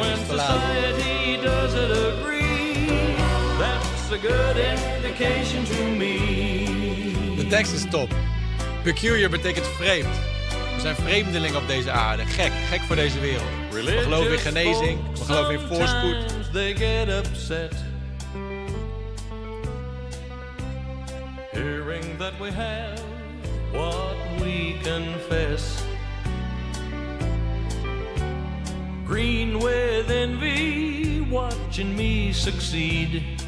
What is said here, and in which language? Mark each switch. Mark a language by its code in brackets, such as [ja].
[en] And when society doesn't agree, that's a good indication to me. [nl] De tekst is top. Peculiar betekent vreemd. We zijn vreemdelingen op deze aarde. Gek, gek voor deze wereld. We geloven in genezing. We geloven in voorspoed. [en] They get upset. Hearing that we have what we confess. Green with envy, watching me succeed.